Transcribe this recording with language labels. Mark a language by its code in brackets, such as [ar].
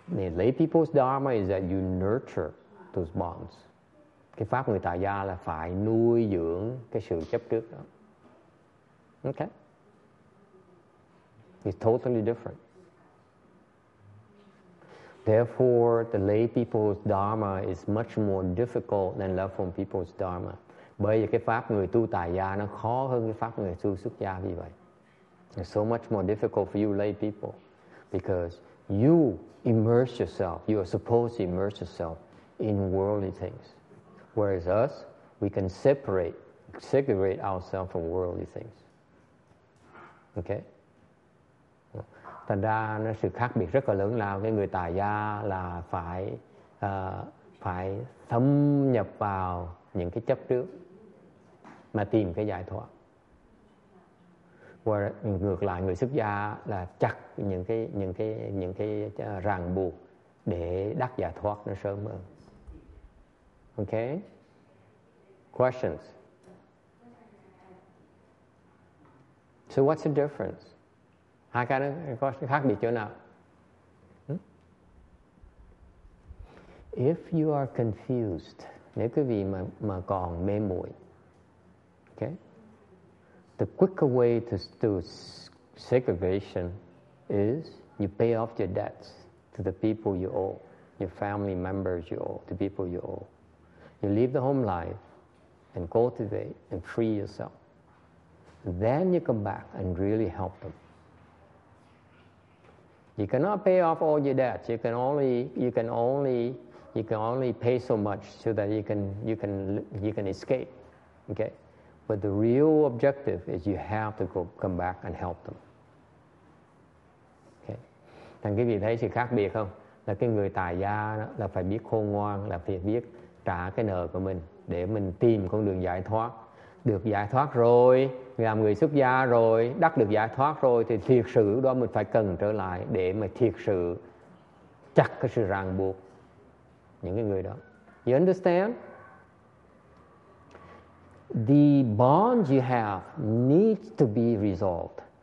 [en] Lay people's dharma is that you nurture those bonds. [vi] Cái pháp người tại gia là phải nuôi dưỡng cái sự chấp trước đó. [en] Okay? It's totally different. Therefore, the lay people's dharma is much more difficult than left-home people's dharma. [vi] Bởi vì cái pháp người tu tại gia nó khó hơn cái pháp người tu xuất gia vì vậy. [en] It's so much more difficult for you lay people because you immerse yourself, you are supposed to immerse yourself in worldly things. Whereas us, we can segregate ourselves from worldly things. Okay? [vi] Thành ra nó sự khác biệt rất là lớn lao. Cái người tài gia là phải phải thâm nhập vào những cái chấp trước mà tìm cái giải thoát. Ngược lại người xuất gia là chặt những cái ràng buộc để đắc giải thoát nó sớm hơn. Okay? [en] Questions. So what's the difference? [vi] Hai cái nó khác biệt chỗ nào? [en] If you are confused, [vi] nếu quý vị mà còn mê muội, okay? [en] The quicker way to segregation is you pay off your debts to the people you owe, your family members you owe, the people you owe. You leave the home life and cultivate and free yourself. Then you come back and really help them. You cannot pay off all your debts. You can only pay so much so that you can escape. Okay? But the real objective is you have to come back and help them. Okay? [vi] Thành quý vị thấy sự khác biệt không? Là cái người tài gia đó, là phải biết khôn ngoan, là phải biết trả cái nợ của mình để mình tìm con đường giải thoát. Được giải thoát rồi, làm người xuất gia rồi, đắc được giải thoát rồi thì thiệt sự đó mình phải cần trở lại để mà thiệt sự chặt cái sự ràng buộc những cái người đó. [en] You understand? The bonds you have need to be resolved.